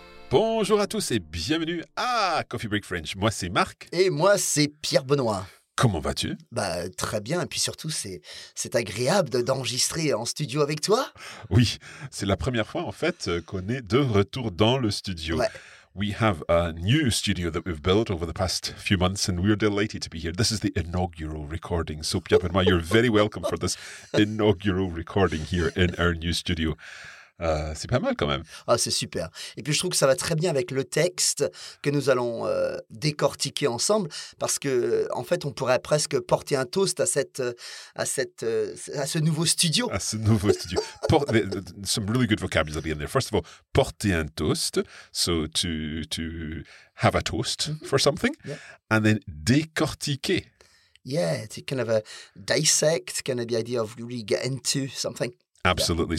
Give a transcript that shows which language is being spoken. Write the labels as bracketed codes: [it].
[fr] Bonjour à tous et bienvenue à Coffee Break French. Moi, c'est Marc. Et moi, c'est Pierre Benoît. Comment vas-tu? Bah, très bien. Et puis surtout, c'est agréable d'enregistrer en studio avec toi. Oui, c'est la première fois, en fait, qu'on est de retour dans le studio. Ouais. [en] We have a new studio that we've built over the past few months, and we're delighted to be here. This is the inaugural recording. So, Pierre Benoît, you're very welcome for this inaugural recording here in our new studio. [fr] C'est pas mal quand même. Ah, c'est super. Et puis je trouve que ça va très bien avec le texte que nous allons décortiquer ensemble, parce que en fait on pourrait presque porter un toast à ce nouveau studio. À ce nouveau studio. [en] Some really good vocabulary in there. First of all, [fr] porter un toast, [en] so to have a toast for something, yeah. And then décortiquer. Yeah, to kind of a dissect, kind of the idea of really get into something. Absolutely.